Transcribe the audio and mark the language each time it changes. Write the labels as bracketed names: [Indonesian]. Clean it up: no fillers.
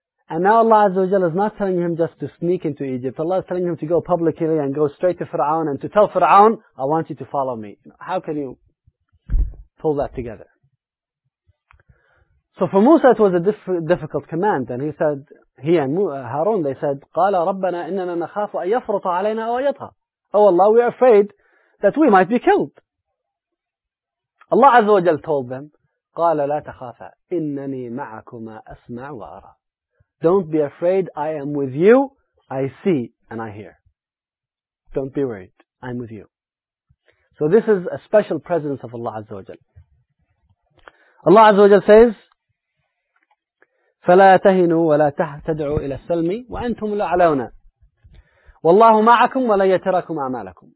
[English] And now Allah Azza wa Jalla is not telling him just to sneak into Egypt. Allah is telling him to go publicly and go straight to Fir'aun and to tell Fir'aun, I want you to follow me. How can you pull that together? So for Musa it was a difficult command. And Harun, they said, [Arabic] قَالَ رَبَّنَا إِنَّنَا نَخَافُ أَن يَفْرُطَ عَلَيْنَا أَوْ يَطْغَى. [English] Oh Allah, we are afraid that we might be killed. Allah Azza wa Jal told them, [Arabic] قَالَ لَا تَخَافَ إِنَّنِي مَعَكُمَا أَسْمَعُ وَأَرَى. [English] Don't be afraid, I am with you, I see and I hear. Don't be worried, I'm with you. So this is a special presence of Allah Azza wa Jal. Allah Azza wa Jal says, [Arabic] فَلَا تَهِنُوا وَلَا تَدْعُوا إِلَى السَّلْمِ وَأَنْتُمْ لَعْلَوْنَا وَاللَّهُ مَعَكُمْ وَلَا يَتِرَكُمْ أَعْمَالَكُمْ.